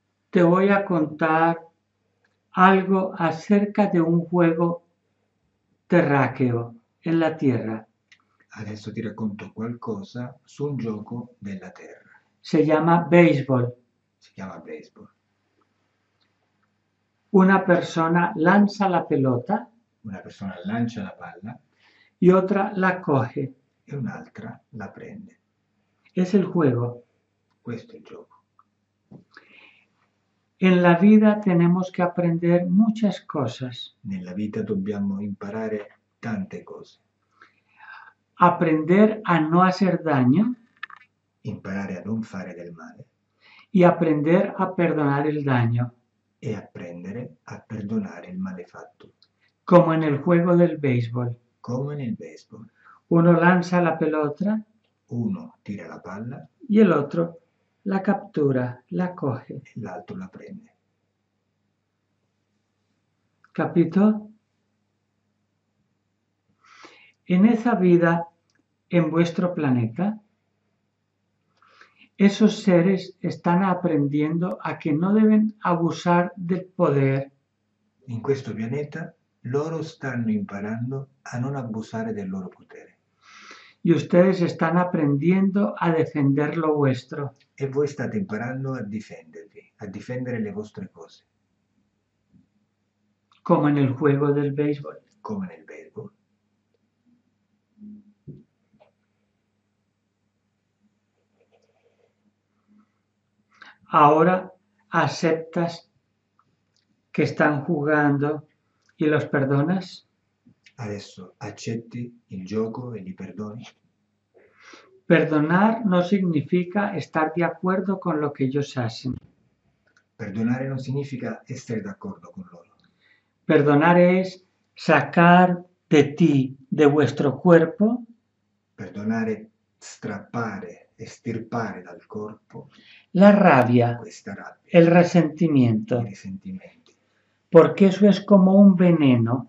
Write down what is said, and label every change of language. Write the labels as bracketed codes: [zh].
[es] Te voy a contar algo acerca de un juego terráqueo en la Tierra. [it] Adesso ti racconto qualcosa su un gioco della Terra. [es] Se llama béisbol. [it] Si chiama béisbol. [es] Una persona lanza la pelota. [it] Una persona lancia la palla. [es] Y otra la coge. [it] E un'altra la prende. [es] Es el juego. [it] Questo è il gioco. [es] En la vida tenemos que aprender muchas cosas. [it] Nella vita dobbiamo imparare tante cose. [es] Aprender a no hacer daño. [it] Imparare a non fare del male. [es] Y aprender a perdonar el daño. [it] E apprendere a perdonare il male fatto. [es] Como en el juego del béisbol. [it] Come nel baseball. [es] Uno lanza la pelota. [it] Uno tira la palla. [es] Y el otro la captura, la coge. [it] L'altro la prende. Capito? [es] En esa vida, en vuestro planeta, esos seres están aprendiendo a que no deben abusar del poder. [it] In questo pianeta, loro stanno imparando a non abusare del loro potere. [es] Y ustedes están aprendiendo a defender lo vuestro. [it] E voi state imparando a difendervi, a difendere le vostre cose. Come nel gioco del baseball. Come nel baseball. [es] Ahora aceptas que están jugando y los perdonas. [it] Adesso accetti il gioco e li perdoni. [es] Perdonar no significa estar de acuerdo con lo que ellos hacen. [it] Perdonare non significa essere d'accordo con loro. [es] Perdonar es sacar de ti, de vuestro cuerpo. [it] Perdonare strappare, estirpare dal corpo. La rabbia, questa rabbia, [es] el resentimiento, [it] i risentimenti, [es] porque eso es como un veneno,